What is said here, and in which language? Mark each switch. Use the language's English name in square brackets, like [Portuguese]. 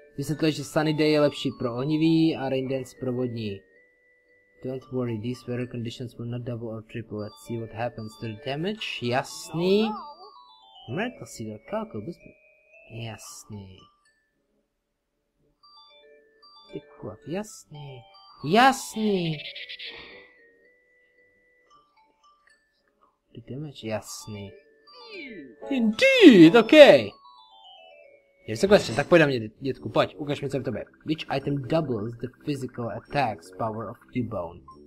[Czech] Vysvětluje, že Sunny Day je lepší pro ohnivý a Rain Dance pro vodní. [English] Don't worry, these weather conditions will not double or triple. Let's see what happens to the damage. [Czech] Jasný. Miracle Seed or Calco Boost. Jasný. Ty kvap, jasný. Jasný. [English] The damage, jasný. Indeed, okay. Here's a question, [Czech] tak pojď na mě, dětku, pojď, ukaž mi, co je v tobě. [English] Which item doubles the physical attack's power of Cubone?